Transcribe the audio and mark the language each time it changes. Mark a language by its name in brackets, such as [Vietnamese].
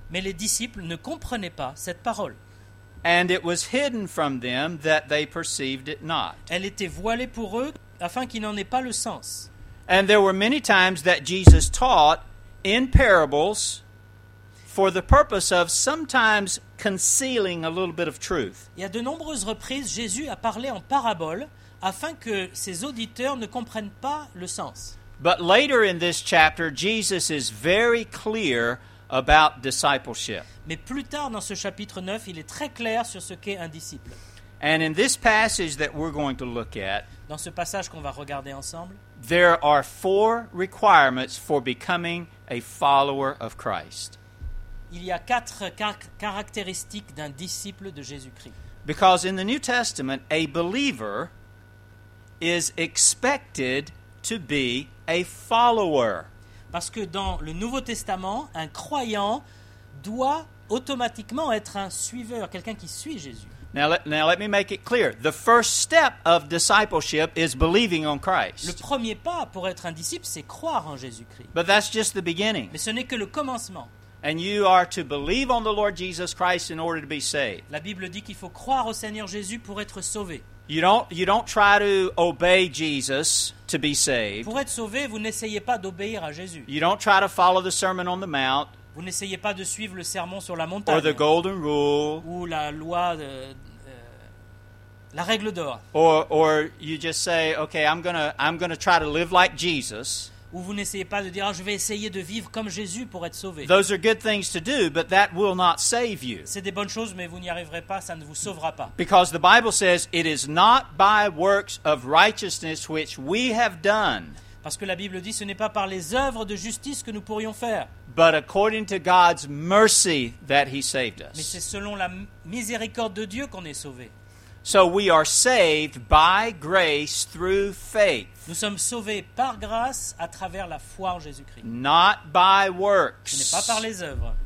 [French] Mais les disciples ne comprenaient pas cette parole. [English] And it was hidden from them that they perceived it not. [French] Elle était voilée pour eux afin qu'ils n'en aient pas le sens. [English] And there were many times that Jesus taught in parables for the purpose of sometimes concealing a little bit of truth. [French] Il y a de nombreuses reprises Jésus a parlé en paraboles afin que ses auditeurs ne comprennent pas le sens. [English] But later in this chapter Jesus is very clear about discipleship. [French] Mais plus tard dans ce chapitre 9, il est très clair sur ce qu'est un disciple. [English] And in this passage that we're going to look at, [French] dans ce passage qu'on va regarder ensemble, [English] there are four requirements for becoming a follower of Christ. [French] Il y a quatre caractéristiques d'un disciple de Jésus-Christ. [English] Because in the New Testament, a believer is expected to be a follower. [French] Parce que dans le Nouveau Testament, un croyant doit automatiquement être un suiveur, quelqu'un qui suit Jésus. [English] Now let me make it clear. The first step of discipleship is believing on Christ. [French] Le premier pas pour être un disciple, c'est croire en Jésus-Christ. [English] But that's just the beginning. [French] Mais ce n'est que le commencement. [English] And you are to believe on the Lord Jesus Christ in order to be saved. [French] La Bible dit qu'il faut croire au Seigneur Jésus pour être sauvé. [English] You don't try to obey Jesus to be saved. [French] Pour être sauvé, vous n'essayez pas d'obéir à Jésus. [English] You don't try to follow the Sermon on the Mount. [French] Vous n'essayez pas de suivre le sermon sur la montagne. [English] Or the golden rule. [French] Ou la loi de la règle d'or. [English] Or you just say, okay, I'm gonna try to live like Jesus. [French] Ou vous n'essayez pas de dire, oh, je vais essayer de vivre comme Jésus pour être sauvé. [English] Those are good things to do, but that will not save you. [French] C'est des bonnes choses, mais vous n'y arriverez pas, ça ne vous sauvera pas. [English] Because the Bible says, it is not by works of righteousness which we have done. [French] Parce que la Bible dit, ce n'est pas par les œuvres de justice que nous pourrions faire. [English] But according to God's mercy that he saved us. [French] Mais c'est selon la miséricorde de Dieu qu'on est sauvé. [English] So we are saved by grace through faith. [French] Nous sommes sauvés par grâce à travers la foi en Jésus-Christ. [English] Not by works. [French] Ce n'est pas par les œuvres.